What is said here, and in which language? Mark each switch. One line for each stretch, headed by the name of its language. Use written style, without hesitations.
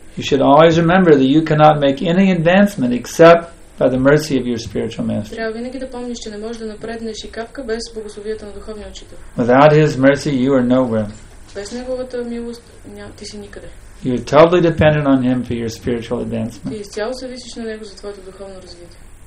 English: You should always remember that you cannot make any advancement except by the mercy of your spiritual master.
Bulgarian: Трябва винаги да помниш, че не можеш да напреднеш и капка без благословията на духовния учител.
English: Without his mercy, you are nowhere.
Bulgarian: Без неговата милост ти си никъде.
English: You are totally dependent on him for your spiritual advancement.
Bulgarian: Ти изцяло зависиш на него за твоето духовно развитие.